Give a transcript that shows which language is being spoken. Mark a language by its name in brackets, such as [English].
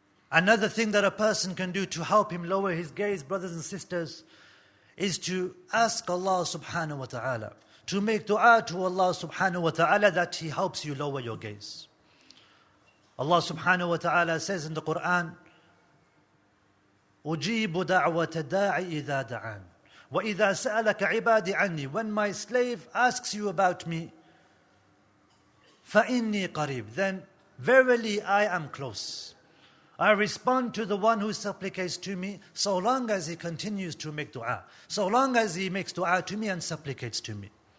[English] Another thing that a person can do to help him lower his gaze, brothers and sisters, is to ask Allah subhanahu wa ta'ala, to make dua to Allah subhanahu wa ta'ala that He helps you lower your gaze. Allah subhanahu wa ta'ala says in the Quran, [Arabic] أُجِيبُ دَعْوَةَ الدَّاعِ إِذَا دَعَانِ وَإِذَا سَأَلَكَ عِبَادِ عَنِّي. [English] When my slave asks you about me, [Arabic] فَإِنِّي قَرِيبُ, [English] then verily I am close. I respond to the one who supplicates to me so long as he continues to make dua, so long as he makes dua to me and supplicates to me.